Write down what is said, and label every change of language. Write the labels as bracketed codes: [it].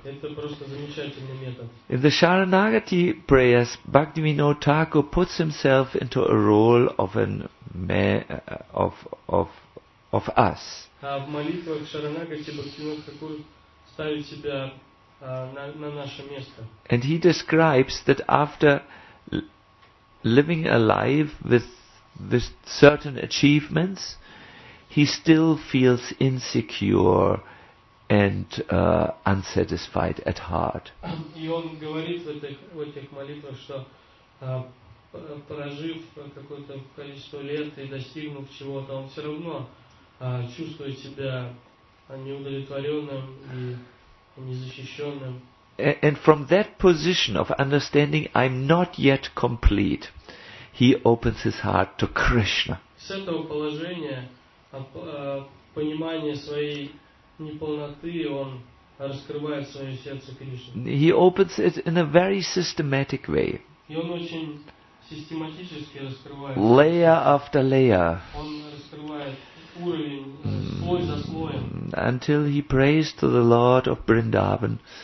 [ru] Это просто замечательный метод. [en] In the Sharanagati prayers, Bhaktivinoda Thakur puts himself into a role of of us. [ru] В молитвах Шаранагати Бхактивинода Такур ставит себя на наше место. [en] And he describes that after living a life with certain achievements, he still feels insecure and unsatisfied at heart. [ru] И он говорит в этих молитвах, что прожив какое-то количество лет и достигнув чего-то, он все равно чувствует себя неудовлетворенным и незащищенным. [en] And from that position of understanding, I'm not yet complete, he opens his heart to Krishna. [ru] С этого положения понимания своей неполноты он раскрывает свое сердце Кришне. [en] He opens it in a very systematic way. [ru] И он очень систематически раскрывает. [en] Layer after layer. [ru] Он раскрывает уровень слой за слоем. [en] Until he prays to the Lord of Vrindavan.